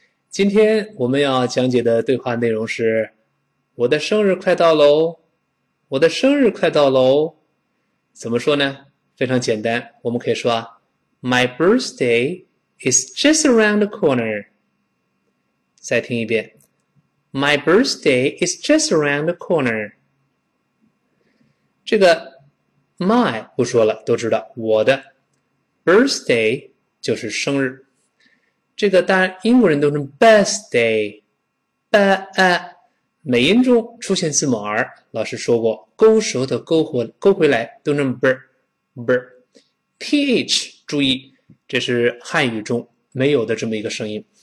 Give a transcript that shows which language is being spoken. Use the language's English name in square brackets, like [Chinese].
[Chinese] 今天我们要讲解的对话内容是：我的生日快到喽，我的生日快到喽。怎么说呢？非常简单，我们可以说： [English] My birthday is just around the corner。 [Chinese] 再听一遍： [English] My birthday is just around the corner。 [Chinese] 这个 my 不说了，都知道我的。 Birthday 就是生日，这个当然英国人都是 birthday，美音中出现字母 r，老师说过，勾舌头勾回来都是 b，th，注意，这是汉语中没有的这么一个声音。